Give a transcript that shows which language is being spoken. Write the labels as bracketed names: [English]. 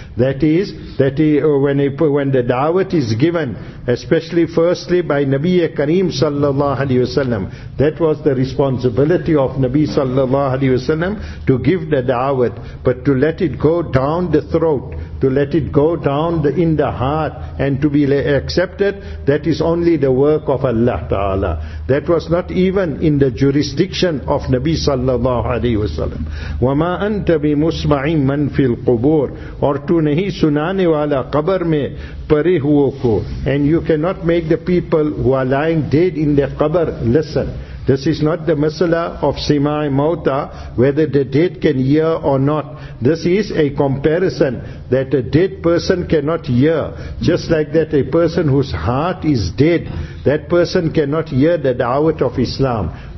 [English] That is, that when the da'wat is given, especially firstly by Nabi Kareem sallallahu alaihi wasallam, that was the responsibility of Nabi sallallahu alaihi wasallam to give the da'wat, but to let it go down the throat, to let it go down in the heart and to be accepted, that is only the work of Allah Ta'ala. That was not even in the jurisdiction of Nabi sallallahu alaihi wasallam. [Arabic] وَمَا أَنْتَ بِمُسْمَعِ مَنْ فِي الْقُبُورِ [Urdu] اور تو نہیں سنانے والا قبر میں پرے ہوو کو. [English] And you cannot make the people who are lying dead in their qabr listen. This is not the masala of sima'i mauta, whether the dead can hear or not. This is a comparison, that that a dead person cannot hear. Just like that, a person whose heart is dead, that person cannot hear the da'wat of Islam.